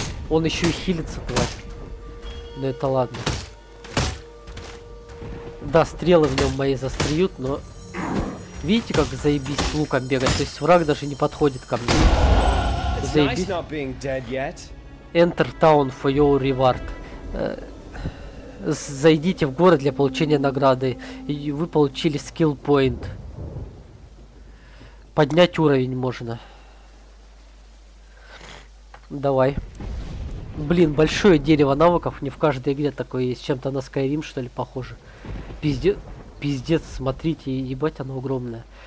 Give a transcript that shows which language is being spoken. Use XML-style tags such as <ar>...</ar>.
<ru>Он еще и хилится, тварь. Но это ладно. Да, стрелы в нем мои застреют, но... Видите, как заебись луком бегать? То есть враг даже не подходит ко мне. Заебись.</ru> <en>Enter town for your reward.</en> <ru>Зайдите в город для получения награды. И вы получили skill point. Поднять уровень можно. Давай. Блин, большое дерево навыков. Не в каждой игре такое есть. Чем-то на Skyrim, что ли, похоже. Пиздец, смотрите, ебать, оно огромное.</ru>